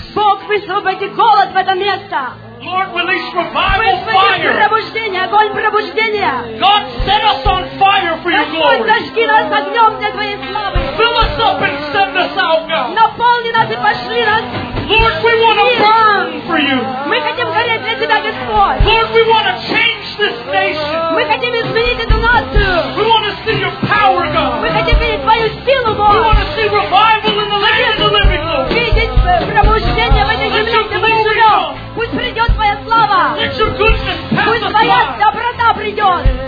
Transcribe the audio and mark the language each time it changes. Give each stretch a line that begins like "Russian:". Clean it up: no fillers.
Russian: Бог, высвободи голод в этом месте.
English: Lord, release revival fire.
Russian: Высвободи пробуждение, огонь пробуждения.
English: God, set us on fire for your glory.
Russian: Господь, зажги нас огнем для твоей славы.
English: Fill us up and send us out, God.
Russian: Наполни нас и пошли нас.
English: Lord, we want to burn for you.
Russian: Мы хотим гореть для тебя, Господь.
English: Lord, we want to change this nation.
Russian: Мы хотим изменить эту нацию.
English: We want to see your power, God.
Russian: Мы хотим видеть твою силу, Бог.
English: We want to see revival in the land of the living, Lord.
Russian: Видеть пробуждение в этой земле, где мы живем. Пусть придет твоя слава.
English: Let your goodness pass
Russian: Пусть твоя доброта придет.